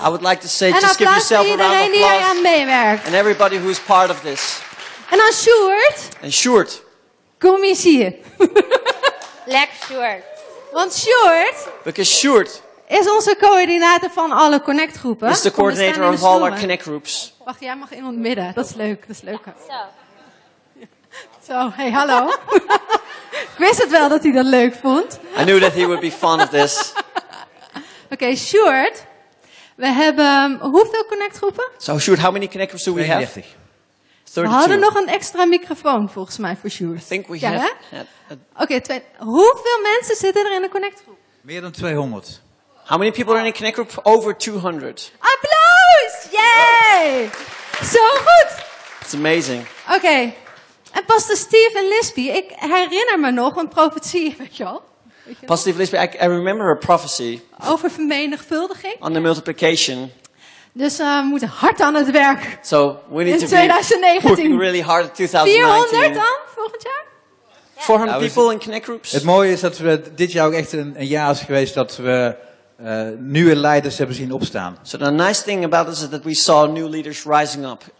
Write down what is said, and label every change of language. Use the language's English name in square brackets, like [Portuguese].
[English] I would like to say just give yourself a round of applause. [Dutch] En applaus voor iedereen die eraan meewerkt. [English] And everybody who is part of this. [Dutch] En dan Sjoerd. En Sjoerd. Kom eens hier. Lekker Sjoerd. Want Sjoerd. [English] Because Sjoerd. [Dutch] Is onze coördinator van alle Connect groepen. [English] Is the coordinator of all our Connect groups. [Dutch] Wacht, jij mag iemand midden. Dat is leuk. Dat is leuk. Zo. Zo, hey, hallo. Ik wist het wel dat hij dat leuk vond. [English] I knew that he would be fond of this. [Dutch] Oké, Sjoerd. We hebben hoeveel Connect groepen? [English] So, Sjoerd, how many Connect groups do we have? [Dutch] 30. We hadden nog een extra microfoon, volgens mij, voor Sjoerd. [English] I think we have. [Dutch] Oké, hoeveel mensen zitten er in een Connect groep? Meer dan 200. [English] How many people are in a connect group? Over 200. [Dutch] Applaus! Yay! Zo goed! [English] It's amazing. [Dutch] Oké. [English] Okay. [Dutch] En Pastor Steve en Lisby, ik herinner me nog een profetie, weet je wel? [English] Pastor Steve Lisby, I remember a prophecy. [Dutch] Over vermenigvuldiging. [English] On the multiplication. [Dutch] Dus we moeten hard aan het werk. [English] So we need in 2019. To be working really hard in 2019. [Dutch] 400 dan, volgend jaar? [English] 400 people in connect groups. [Dutch] Het mooie is dat we dit jaar ook echt een jaar is geweest dat we nieuwe leiders hebben zien opstaan. [English] So the nice thing about this is that we saw new leaders rising up.